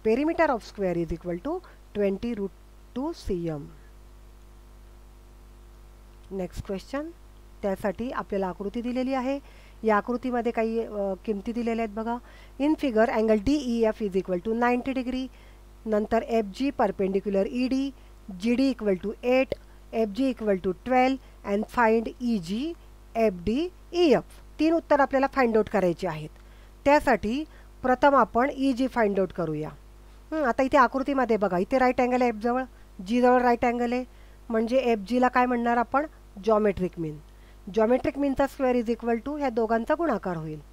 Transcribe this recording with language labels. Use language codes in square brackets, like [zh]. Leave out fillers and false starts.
[en] Perimeter of square is equal to 20√2 cm. [mr] Next question, त्यासाठी आपल्याला आकृती दिलेली आहे. या आकृतीमध्ये काही किमती दिलेल्या आहेत बघा. [en] In figure angle D E F is equal to 90 degree, नंतर F G perpendicular E D, G D equal to 8, F G equal to 12 and find E G F D E F. [mr] तीन उत्तर आपल्याला find out करायचे आहेत. त्यासाठी प्रथम आपण E जी find out करूया. आता इथे आकृतीमध्ये बघा, इथे राईट अँगल आहे एफ जवळ, जी जवळ राईट अँगल आहे, म्हणजे एफ जीला काय म्हणणार आपण, geometric mean. Geometric मीनचा square [en] is equal to [mr] ह्या दोघांचा गुणाकार होईल.